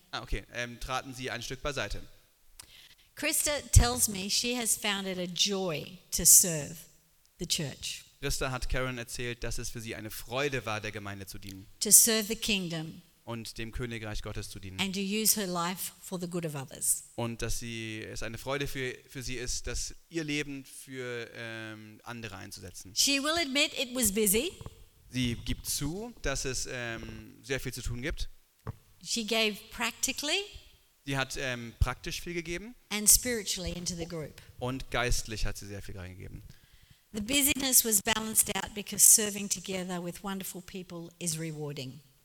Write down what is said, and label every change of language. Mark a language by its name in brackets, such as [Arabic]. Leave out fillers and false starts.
[German] Ah, okay, traten sie ein Stück beiseite. [English] Christa tells me she has found it a joy to serve the church. [German] Christa hat Karen erzählt, dass es für sie eine Freude war, der Gemeinde zu dienen. [English] To serve the kingdom. [German] Und dem Königreich Gottes zu dienen. [English] And to use her life for the good of others. [German] Und dass es eine Freude für sie ist, dass ihr Leben für andere einzusetzen. [English] She will admit it was busy. [German] Sie gibt zu, dass es sehr viel zu tun gibt. [English] She gave practically. [German] Sie hat praktisch viel gegeben. [English] And spiritually into the group. [German] Und geistlich hat sie sehr viel reingegeben. [English] The busyness was balanced out because serving together with wonderful people is rewarding.